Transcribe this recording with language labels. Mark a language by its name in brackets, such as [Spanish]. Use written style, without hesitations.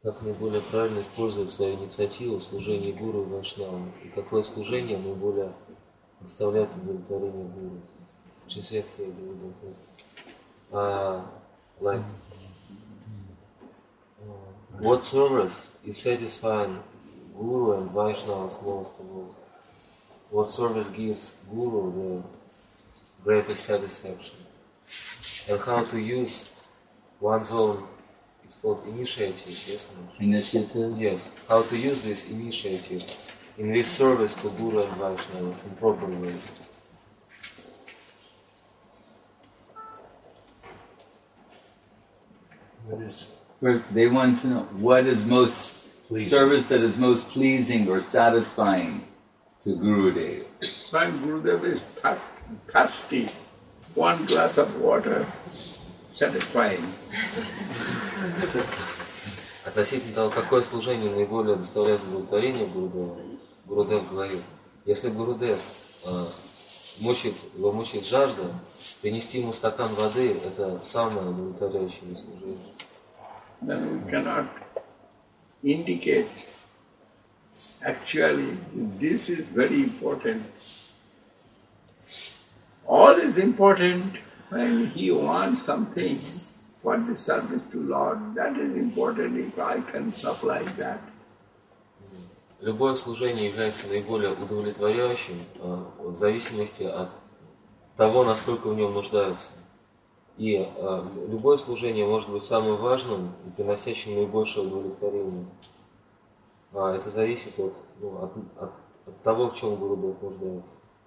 [Russian] Как наиболее правильно использовать свою инициативу в служении гуру и вайшнавам? И какое служение наиболее доставляет удовлетворение гуру? Очень светлый я говорю вопрос. [English] What service is satisfying guru and vaishnavas most of all? What service gives guru the greatest satisfaction? And how to use one's own, it's called initiative, yes? Initiative? Yes. How to use this initiative in this service to Guru and Vaishnavas in proper way. They want to know what is most pleasing. Service that is most pleasing or satisfying to Gurudev. When Gurudev is thirsty, one glass of water satisfying. [Russian] Относительно того, какое служение наиболее доставляет удовлетворение Гурудеву, Гурудев говорил, если Гурудев мучает жажда, принести ему стакан воды – это самое удовлетворяющее служение. [English] Then we cannot indicate actually this is very important. All is important when he wants something for the service to Lord. That is important if I can supply that. [Russian] Любое служение является наиболее удовлетворяющим в зависимости от того, насколько в нем нуждаются. И любое служение может быть самым важным и приносящим наибольшее удовлетворение. Это зависит от, ну, от того, в чем Гуру Бог нуждается.